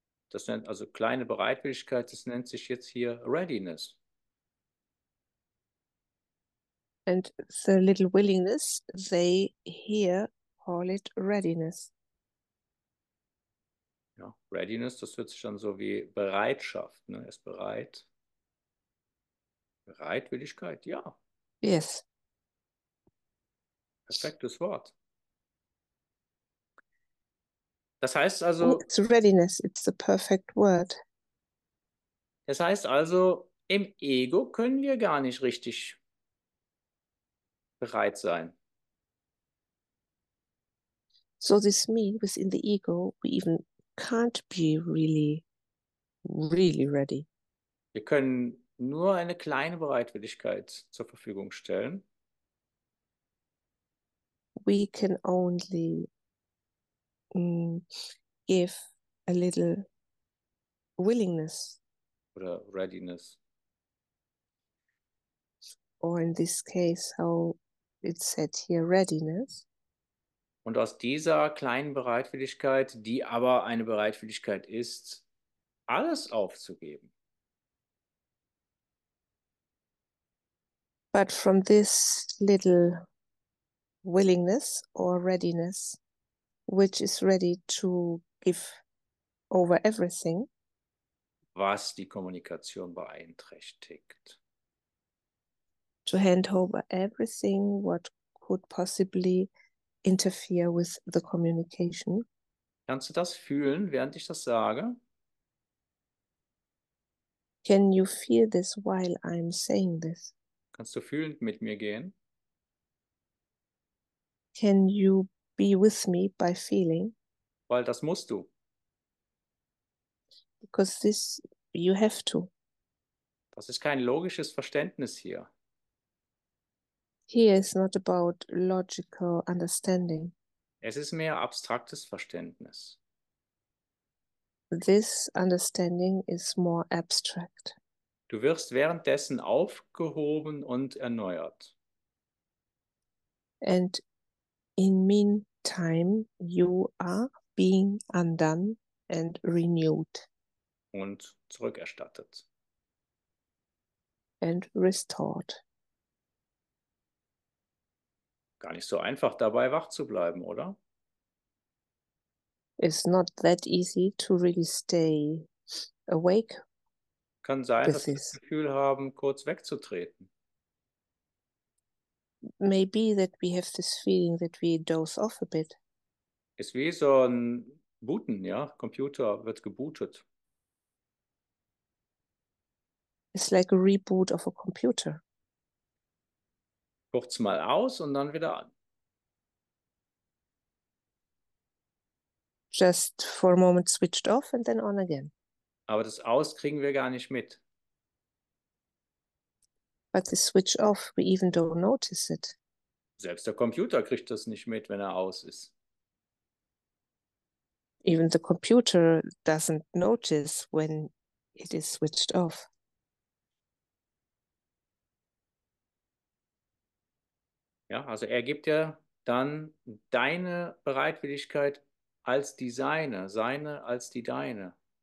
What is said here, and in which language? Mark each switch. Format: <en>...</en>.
<de>Das nennt also kleine Bereitwilligkeit, das nennt sich jetzt hier readiness.</de> <en>And the little willingness, they here call it readiness.</en> <de>Readiness, das hört sich dann so wie Bereitschaft. Ne? Er ist bereit. Bereitwilligkeit, ja.</de> <en>Yes.</en> <de>Perfektes Wort. Das heißt also...</de> <en>It's readiness, it's the perfect word.</en> <de>Das heißt also, im Ego können wir gar nicht richtig bereit sein.</de> <en>So this means within the ego, we even... can't be really, really ready.</en> <de>Wir können nur eine kleine Bereitwilligkeit zur Verfügung stellen.</de> <en>We can only give a little willingness.</en> <de>Oder readiness.</de> <en>Or in this case, how It said here readiness.</en> <de>Und aus dieser kleinen Bereitwilligkeit, die aber eine Bereitwilligkeit ist, alles aufzugeben.</de> <en>But from this little willingness or readiness, which is ready to give over everything,</en> <de>was die Kommunikation beeinträchtigt.</de> <en>To hand over everything, what could possibly interfere with the communication.</en> <de>Kannst du das fühlen, während ich das sage?</de> <en>Can you feel this while I'm saying this?</en> <de>Kannst du fühlend mit mir gehen?</de> <en>Can you be with me by feeling?</en> <de>Weil das musst du.</de> <en>Because this you have to.</en> <de>Das ist kein logisches Verständnis hier.</de> <en>Here is not about logical understanding.</en> <de>Es ist mehr abstraktes Verständnis.</de> <en>This understanding is more abstract.</en> <de>Du wirst währenddessen aufgehoben und erneuert.</de> <en>And in meantime, you are being undone and renewed.</en> <de>Und zurückerstattet.</de> <en>And restored.</en> <de>Gar nicht so einfach, dabei wach zu bleiben, oder?</de> <en>It's not that easy to really stay awake.</en> <de>Kann sein, dass wir das Gefühl haben, kurz wegzutreten.</de> <en>Maybe that we have this feeling that we doze off a bit.</en> <de>Ist wie so ein Booten, ja? Computer wird gebootet.</de> <en>It's like a reboot of a computer.</en> <de>Kurz mal aus und dann wieder an.</de> <en>Just for a moment switched off and then on again.</en> <de>Aber das Aus kriegen wir gar nicht mit.</de> <en>But the switch off, we even don't notice it.</en> <de>Selbst der Computer kriegt das nicht mit, wenn er aus ist.</de> <en>Even the computer doesn't notice when it is switched off.</en> <de>Ja, also er gibt dir dann deine Bereitwilligkeit als die seine, seine als die deine.</de>